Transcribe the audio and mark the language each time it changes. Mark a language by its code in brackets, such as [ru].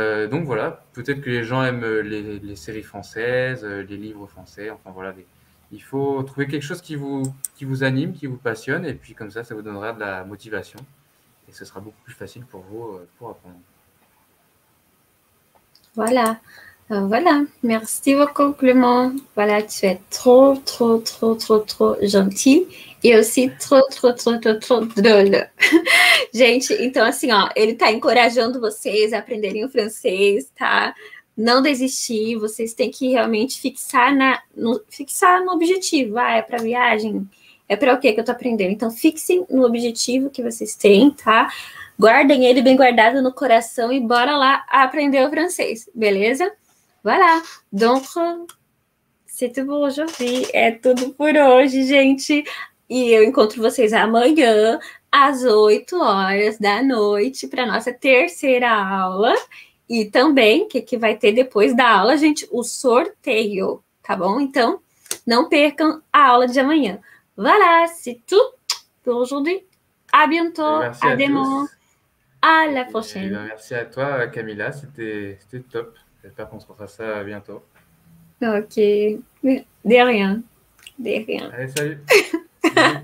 [fr] Donc voilà, peut-être que les gens aiment les séries françaises, les livres français, enfin voilà, il faut trouver quelque chose qui vous anime, qui vous passionne, et puis comme ça vous donnera de la motivation, et ce sera beaucoup plus facile pour vous pour apprendre. Voilà, merci vos compliments. Voilà, tu es trop, trop, trop, trop, trop gentil et aussi trop, trop, trop, trop, trop drôle. [pt] Gente, então assim, ó, ele tá encorajando vocês a aprenderem o francês, tá? Não desistir, vocês têm que realmente fixar no objetivo. Ah, é para viagem? É para o que que eu tô aprendendo? Então, fixem no objetivo que vocês têm, tá? Guardem ele bem guardado no coração e bora lá aprender o francês, beleza? [fr] Voilà. Donc, c'est tout pour aujourd'hui. [pt] É tudo por hoje, gente. E eu encontro vocês amanhã, às 8 horas da noite, para nossa terceira aula. E também, o que que vai ter depois da aula, gente? O sorteio, tá bom? Então, não percam a aula de amanhã. [fr] Voilà. C'est tout pour aujourd'hui. À bientôt. Merci à À tous. la Et prochaine. bien, merci à toi, Camilla. C'était top. J'espère qu'on se refera ça bientôt. Ok, de rien, de rien. Allez, salut. Bisous.